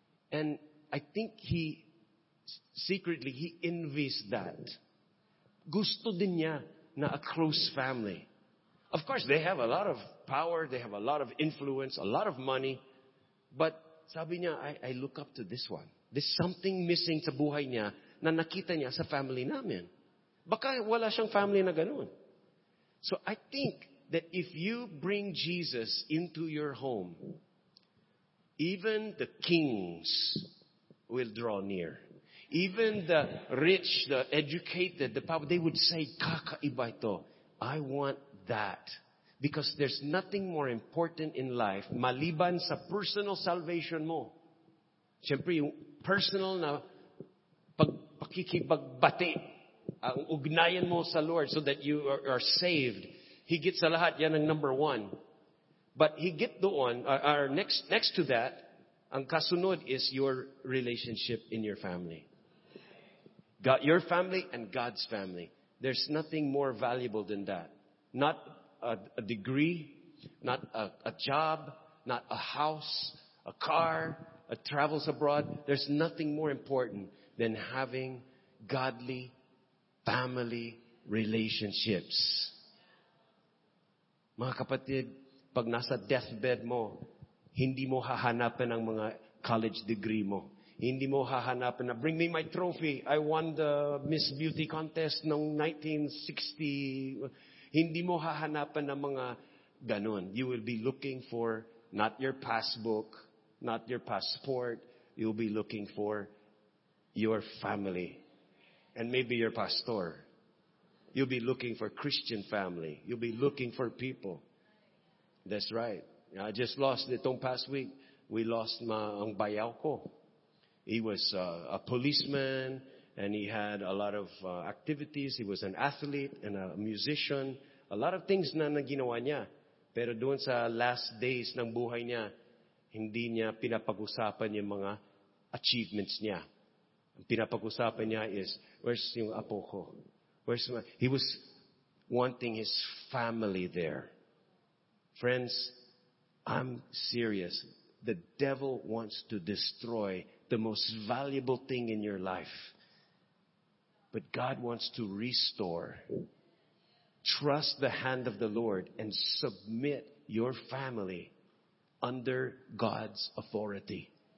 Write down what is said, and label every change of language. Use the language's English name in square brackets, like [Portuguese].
[English] And I think he, secretly, he envies that. [Filipino] Gusto din niya na [English] a close family. Of course, they have a lot of power, they have a lot of influence, a lot of money. But [Filipino] sabi niya, [English] I look up to this one. There's something missing [Filipino] sa buhay niya na nakita niya sa family namin. Baka wala siyang family na ganun. [English] So I think that if you bring Jesus into your home, even the kings will draw near. Even the rich, the educated, the powerful, they would say, [Filipino] kakaiba ito. [English] I want that. Because there's nothing more important in life [Filipino] maliban sa personal salvation mo. Siyempre, yung personal na pakikipagbati ang ugnayan mo sa Lord [English] so that you are saved. [Filipino] Higit sa lahat, yan ang number one. [English] But higit doon, or next to that, [Filipino] ang kasunod [English] is your relationship in your family. God, your family and God's family. There's nothing more valuable than that. Not a degree, not a job, not a house, a car, a travels abroad. There's nothing more important than having godly family relationships. [Filipino] Mga kapatid, pag nasa deathbed mo, hindi mo hahanapin ang mga college degree mo. Hindi mo hahanapin na, [English] bring me my trophy. I won the Miss Beauty Contest noong 1960. [Filipino] Hindi mo hahanapin ang mga ganun. [English] You will be looking for not your passbook, not your passport. You'll be looking for your family. And maybe your pastor. You'll be looking for Christian family. You'll be looking for people. That's right. I just lost itong past week. We lost [Filipino] ang bayaw ko. [English] He was a policeman, and he had a lot of activities. He was an athlete and a musician. A lot of things [Filipino] na naginawa niya. Pero doon sa last days ng buhay niya, hindi niya pinapag-usapan yung mga achievements niya. Ang pinapag-usapan niya is, where's yung apo ko? [English] He was wanting his family there. Friends, I'm serious. the devil wants to destroy the most valuable thing in your life. But God wants to restore. Trust the hand of the Lord and submit your family under God's authority.